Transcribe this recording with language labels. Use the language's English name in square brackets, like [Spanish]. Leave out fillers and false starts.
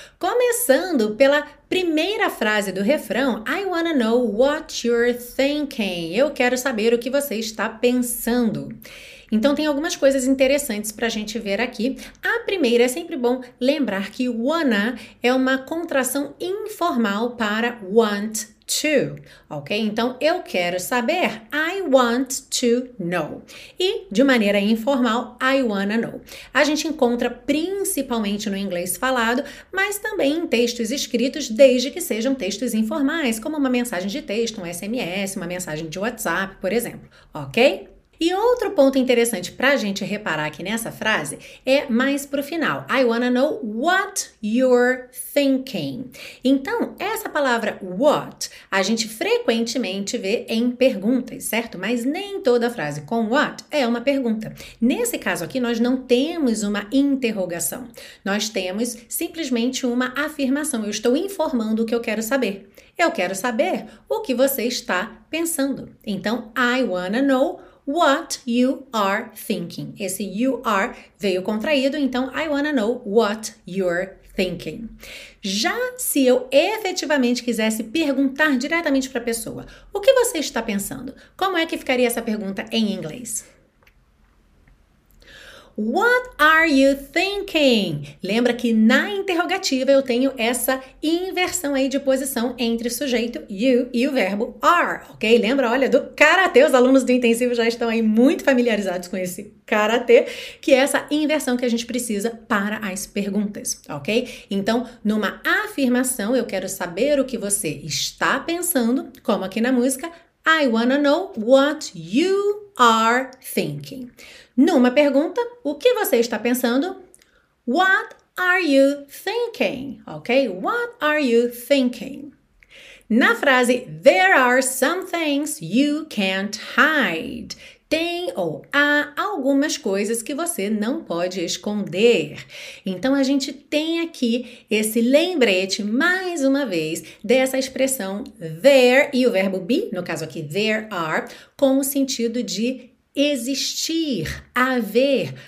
[Portuguese] Começando pela primeira frase do refrão, [English] I wanna know what you're thinking. [Portuguese] Eu quero saber o que você está pensando. Então, tem algumas coisas interessantes para a gente ver aqui. A primeira, é sempre bom lembrar que wanna é uma contração informal para want to, ok? Então, eu quero saber, [English] I want to know. [Portuguese] E, de maneira informal, [English] I wanna know. [Portuguese] A gente encontra principalmente no inglês falado, mas também em textos escritos, desde que sejam textos informais, como uma mensagem de texto, um SMS, uma mensagem de WhatsApp, por exemplo, ok? E outro ponto interessante para a gente reparar aqui nessa frase é mais para o final. [English] I wanna know what you're thinking. [Portuguese] Então, essa palavra what a gente frequentemente vê em perguntas, certo? Mas nem toda frase com what é uma pergunta. Nesse caso aqui, nós não temos uma interrogação. Nós temos simplesmente uma afirmação. Eu estou informando o que eu quero saber. Eu quero saber o que você está pensando. Então, [English] I wanna know what you are thinking. [Portuguese] Esse you are veio contraído, então [English] I wanna know what you're thinking. [Portuguese] Já se eu efetivamente quisesse perguntar diretamente para a pessoa, o que você está pensando? Como é que ficaria essa pergunta em inglês? [English] What are you thinking? [Portuguese] Lembra que na interrogativa eu tenho essa inversão aí de posição entre sujeito you e o verbo are, ok? Lembra, olha, do karatê, os alunos do intensivo já estão aí muito familiarizados com esse karatê, que é essa inversão que a gente precisa para as perguntas, ok? Então, numa afirmação, eu quero saber o que você está pensando, como aqui na música, [English] I wanna know what you are thinking. [Portuguese] Numa pergunta, o que você está pensando? [English] What are you thinking? Ok? What are you thinking? [Portuguese] Na frase, [English] there are some things you can't hide. [Portuguese] Tem ou há algumas coisas que você não pode esconder. Então, a gente tem aqui esse lembrete, mais uma vez, dessa expressão there e o verbo be, no caso aqui, there are, com o sentido de existir, haver.